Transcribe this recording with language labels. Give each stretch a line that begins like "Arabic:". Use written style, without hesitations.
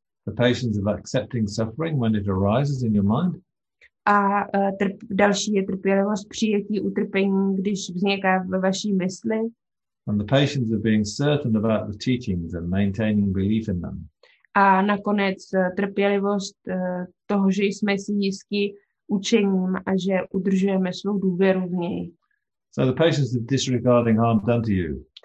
English: The patience of accepting suffering when it arises in your mind.
Czech: A další je trpělivost přijetí utrpení, když vzniká ve vaší mysli.
English: And the patience of being certain about the teachings and maintaining belief in them.
Czech: A nakonec trpělivost toho, že jsme si jistí učením a že udržujeme svou důvěru v něj.
English: So the patience of disregarding harm done to you.